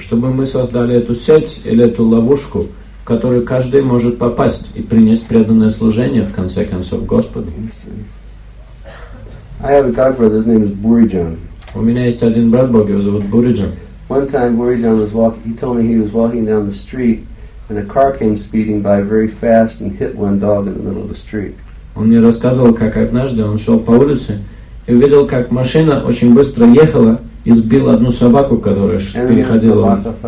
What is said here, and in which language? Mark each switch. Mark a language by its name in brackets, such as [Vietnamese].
[Russian] Чтобы мы создали эту сеть или эту ловушку, в которую каждый может попасть и принять преданное служение в конце концов Господу. [English] I have a godbrother. His name is Burijan. [Russian] У меня есть один брат Бог, его зовут Бурижан. [English] One time Burijan was walking. He told me he was walking down the street, and a car came speeding by very fast and hit one dog in the middle of the street. [Russian] Он мне рассказывал, как однажды он шел по улице. И увидел, как машина очень быстро ехала и сбила одну собаку, которая переходила.